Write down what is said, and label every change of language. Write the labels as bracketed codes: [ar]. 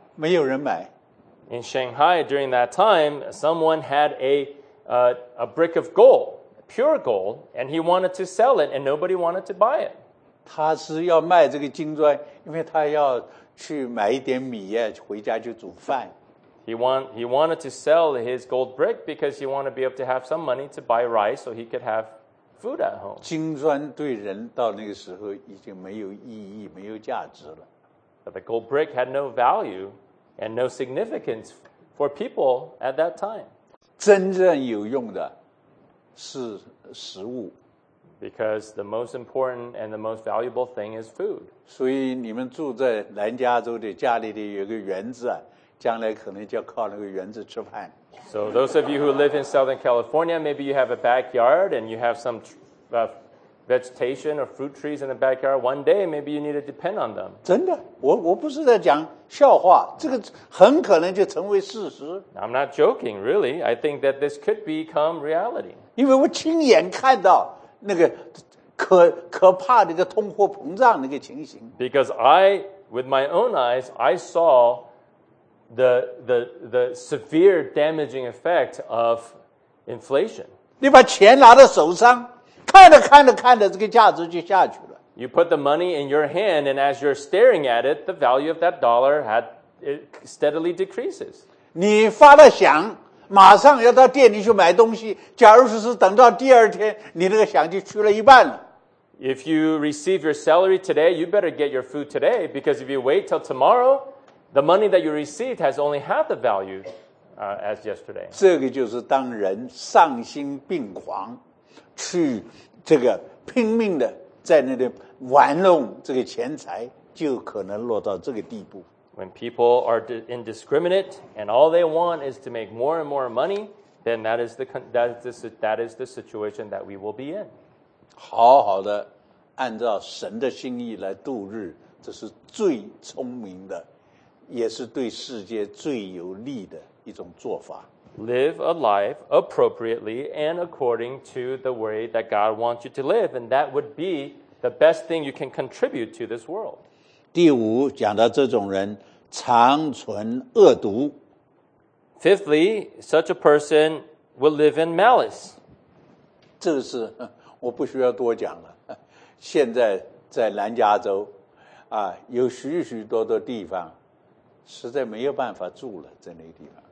[zh] 没有人买。 [en] In Shanghai during that time, someone had a brick of gold, pure gold, and he wanted to sell it, and nobody wanted to buy it. [zh] 他是要卖这个金砖，因为他要去买一点米呀，回家就煮饭。 [en] He wanted to sell his gold brick because he wanted to be able to have some money to buy rice so he could have food at home. [zh] 金砖对人到那个时候已经没有意义，没有价值了。 [en] But the gold brick had no value and no significance for people at that time. [zh] 真正有用的是食物。 [en] Because the most important and the most valuable thing is food. [zh] 所以你们住在南加州的家里的有个园子，将来可能就靠那个园子吃饭。 [en] So those of you who live in Southern California, maybe you have a backyard and you have some vegetation or fruit trees in the backyard, one day maybe you need to depend on them. [zh] 真的，我不是在讲笑话，这个很可能就成为事实。 [en] I'm not joking, really. I think that this could become reality. [zh] 因为我亲眼看到那个可怕的那个通货膨胀那个情形。 [en] Because I, with my own eyes, I saw the severe damaging effect of inflation. [zh] 你把钱拿到手上，看着看着看着，这个价值就下去了。 [en] You put the money in your hand, and as you're staring at it, the value of that dollar it steadily decreases. [zh] 你发了想，马上要到店里去买东西，假如是等到第二天，你那个想就去了一半了。 [en] If you receive your salary today, you better get your food today, because if you wait till tomorrow, the money that you received has only half the value, as yesterday. [zh] 这个就是当人丧心病狂，去这个拼命的在那里玩弄这个钱财，就可能落到这个地步。 [en] When people are indiscriminate and all they want is to make more and more money, then that is the situation that we will be in. [zh] 好好的按照神的心意来度日，这是最聪明的，也是对世界最有利的一种做法。 [en] Live a life appropriately and according to the way that God wants you to live, and that would be the best thing you can contribute to this world. [zh] 第五，讲到这种人长存恶毒。 [en] Fifthly, such a person will live in malice. [zh] 这是我不需要多讲了。现在在南加州，啊，有许许多多地方，实在没有办法住了，在那地方。